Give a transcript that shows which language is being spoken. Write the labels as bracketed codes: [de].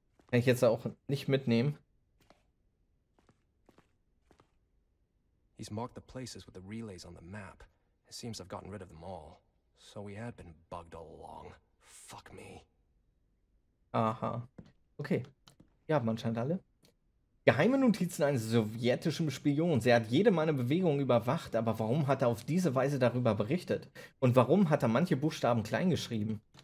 [de] Kann ich jetzt auch nicht mitnehmen. [en] He's marked the places with the relays on the map. It seems I've gotten rid of them all. So we had been bugged all along. Fuck me. Aha. Okay. [de] Wir haben anscheinend alle. Geheime Notizen eines sowjetischen Spions. Er hat jede meiner Bewegungen überwacht, aber warum hat er auf diese Weise darüber berichtet? Und warum hat er manche Buchstaben klein geschrieben?